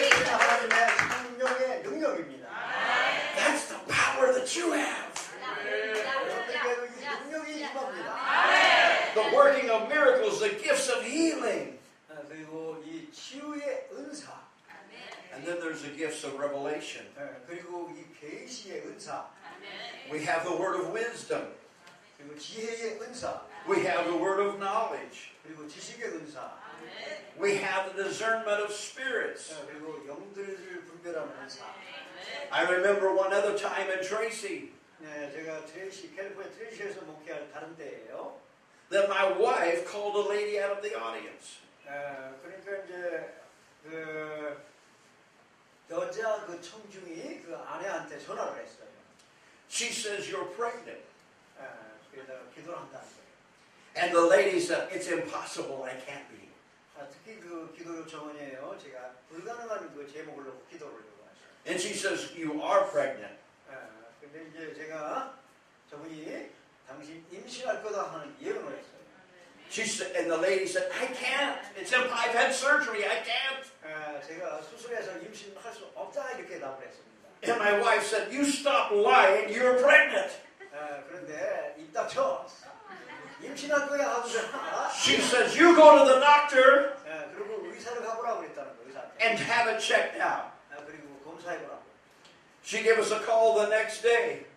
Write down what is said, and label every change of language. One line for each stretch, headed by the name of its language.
Korean: 하나님의 성령의 능력입니다.
English: That's the power that you have.
Korean: 어떻게든 이 능력이 임합니다.
English: The working of miracles, the gifts of healing.
Korean: 치유의 은사.
English: And then there's the gifts of revelation.
Korean: 그리고 이 계시의 은사.
English: We have the word of wisdom.
Korean: 그리고 지혜의 은사.
English: We have the word of knowledge.
Korean: 그리고 지식의 은사.
English: We have the discernment of spirits.
Korean: 그리고 영들을 분별하는 은사.
English: I remember one other time in Tracy.
Korean: 네, 제가 트레시 캘리포니아 트레시에서 목회할 다른 때예요.
English: Then my wife called a lady out of the audience.
Korean: 그러니까 이제 그 여자 그 청중이 그 아내한테 전화를 했어요.
English: She says you're pregnant.
Korean: 그래서 기도를 한다는 거예요.
English: And the lady said it's impossible, I can't be.
Korean: 특히 그 기도 요청원이에요. 제가 불가능한 그 제목을 놓고 기도를 요구하죠.
English: And she says you are pregnant.
Korean: 근데 이제 제가 저분이 당신 임신할 거다 하는 예언을 했어요.
English: She said, and the lady said, I can't. It's I've had surgery. I can't.
Korean: 제가 수술해서 임신할 수 없다 이렇게 답을 했습니다.
English: And my wife said, you stop lying. You're pregnant.
Korean: 그런데 입 닥쳐. 임신할 거야 하고.
English: She says, you go to the doctor.
Korean: 그리고 의사를 가보라고 그랬다는 거 의사한테.
English: And have it checked out.
Korean: 그리고 검사해보라고.
English: She gave us a call the next day.